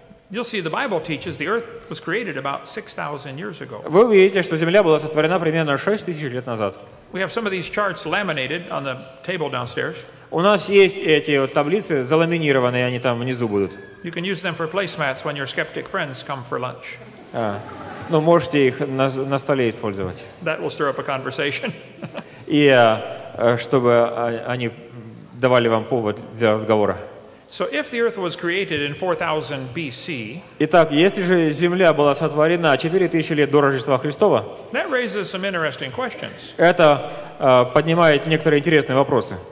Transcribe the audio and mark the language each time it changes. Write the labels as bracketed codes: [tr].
[en] You'll see the Bible teaches the earth was created about 6,000 years ago. [ru] Вы увидите, что земля была сотворена примерно 6000 лет назад. [en] We have some of these charts laminated on the table downstairs. [ru] У нас есть эти таблицы заламинированные, они там внизу будут. [en] You can use them for placemats when your skeptic friends come for lunch. [ru] Можете их на столе использовать. [en] That will stir up a conversation. [ru] И чтобы они давали вам повод для разговора. [en] So if the earth was created in 4000 BC, [ru] итак, если же земля была сотворена 4000 лет до Рождества Христова, [en] that raises some interesting questions. [ru] Это поднимает некоторые интересные вопросы.